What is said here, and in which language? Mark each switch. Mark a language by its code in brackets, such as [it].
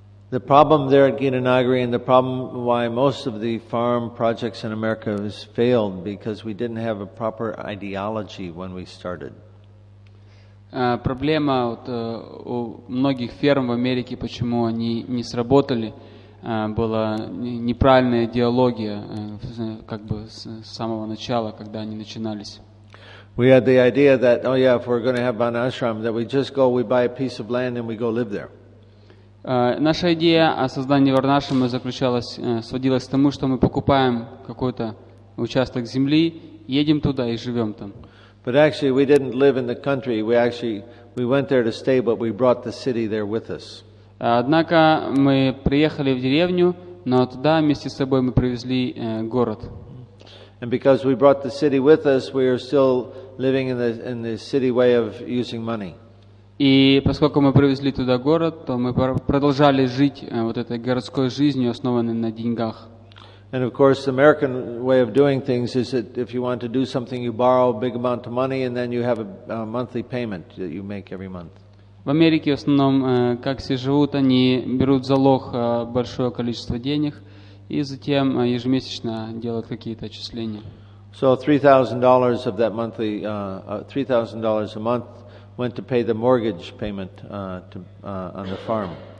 [en] The problem there at Gita Nagari and the problem why most of the farm projects in America has failed because we didn't have a proper ideology when we started. [ru] Проблема у многих ферм в Америке, почему они не сработали, была неправильная идеология как бы с самого начала, когда они начинались. [en] We had the idea that, oh yeah, if we're going to have an ashram, that we just go, we buy a piece of land and we go live there. [ru] Наша идея о создании варнашрама заключалась, сводилась к тому, что мы покупаем какой-то участок земли, едем туда и живем там. [en] But actually, we didn't live in the country. We went there to stay, but we brought the city there with us. [ru] Однако мы приехали в деревню, но туда вместе с собой мы привезли город. [en] And because we brought the city with us, we are still living in the city way of using money. [ru] И поскольку мы привезли туда город, то мы продолжали жить вот этой городской жизнью, основанной на деньгах. [en] And of course, the American way of doing things is that if you want to do something, you borrow a big amount of money, and then you have a monthly payment that you make every month. [ru] В Америке в основном, как все живут, они берут залог большое количество денег, и затем ежемесячно делают какие-то отчисления. [en] So $3,000 of that monthly, $3,000 a month went to pay the mortgage payment on the farm.